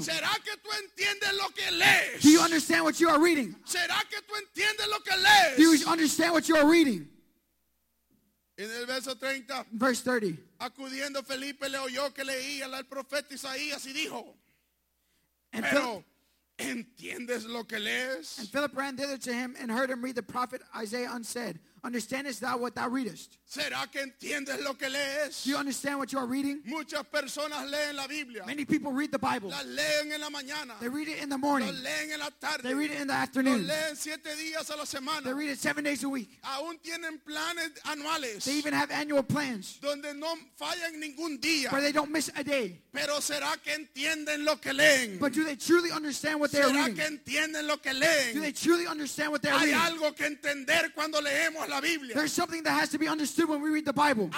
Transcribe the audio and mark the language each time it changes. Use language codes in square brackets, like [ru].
[es] ¿Será que tú entiendes lo que lees? [en] Do you understand what you are reading? [es] ¿Será que tú entiendes lo que lees? [en] Do you understand what you are reading? [es] En el verso 30, [en] verse 30, [es] acudiendo Felipe le oyó que leía el profeta Isaías y dijo, [en] and [es] pero ¿entiendes lo que lees? [en] And Philip ran thither to him and heard him read the prophet Isaiah and said, understandest thou what thou readest? [es] ¿Será que entiendes lo que lees? [en] Do you understand what you are reading? [es] Muchas personas leen la Biblia. [en] Many people read the Bible. [es] La leen en la mañana. [en] They read it in the morning. [es] La leen en la tarde. [en] They read it in the afternoon. [es] La leen 7 días a la semana. [en] They read it 7 days a week. [es] Aún tienen planes anuales. [en] They even have annual plans. [es] Donde no fallan ningún día. [en] Where they don't miss a day. [es] Pero ¿será que entienden lo que leen? [en] But do they truly understand what they are reading? [es] ¿Será que entienden lo que leen? [en] Do they truly understand what they are reading? [es] Hay algo que entender cuando leemos la Biblia. [en] There's something that has to be understood when we read the Bible.